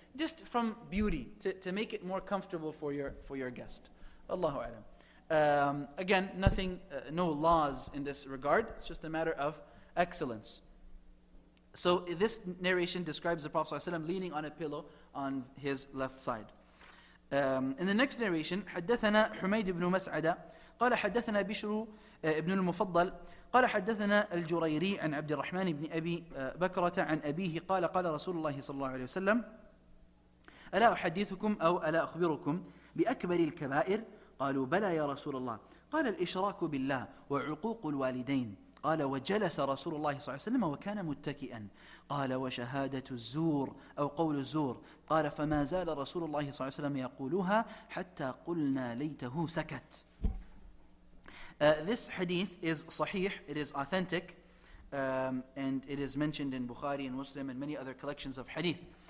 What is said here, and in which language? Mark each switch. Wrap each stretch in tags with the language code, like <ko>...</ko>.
<en>Just from beauty, to make it more comfortable for your guest.</en> <ar>Allahu alam.</ar> <en>Again, nothing, no laws in this regard. It's just a matter of excellence. So this narration describes the Prophet ﷺ leaning on a pillow on his left side. In the next narration,</en> <ar>حدثنا حميد بن مسعدة قال حدثنا بشرو ابن المفضل قال حدثنا الجريري عن عبد الرحمن بن أبي بكرة عن أبيه قال قال رسول الله صلى الله عليه وسلم ألا أحدثكم أو ألا أخبركم بأكبر الكبائر قالوا بلى يا رسول الله قال الإشراك بالله وعقوق الوالدين قال وجلس رسول الله صلى الله عليه وسلم وكان متكئا قال وشهادة الزور أو قول الزور قال فما زال رسول الله صلى الله عليه وسلم يقولها حتى قلنا ليته سكت.</ar> <en>This hadith is sahih, it is authentic, and it is mentioned in Bukhari and Muslim and many other collections of hadith.</en>